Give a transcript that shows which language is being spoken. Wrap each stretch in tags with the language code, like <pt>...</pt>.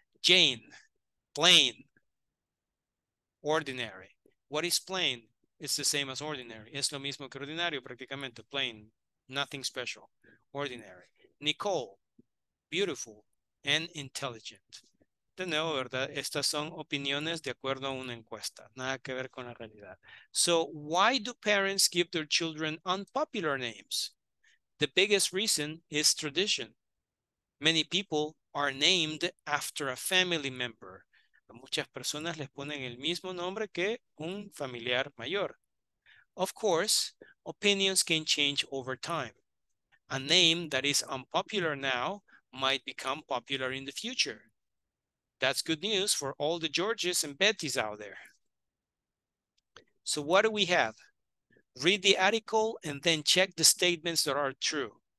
<en>Jane, plain, ordinary. What is plain? It's the same as ordinary.</en> <es>Es lo mismo que ordinario, prácticamente.</es> <en>Plain. Nothing special. Ordinary. Nicole. Beautiful. And intelligent.</en> <es>De nuevo, ¿verdad? Estas son opiniones de acuerdo a una encuesta. Nada que ver con la realidad.</es> <en>So, why do parents give their children unpopular names? The biggest reason is tradition. Many people are named after a family member.</en> <es>A muchas personas les ponen el mismo nombre que un familiar mayor.</es> <en>Of course, opinions can change over time. A name that is unpopular now might become popular in the future. That's good news for all the Georges and Bettys out there. So what do we have? Read the article and then check the statements that are true.</en>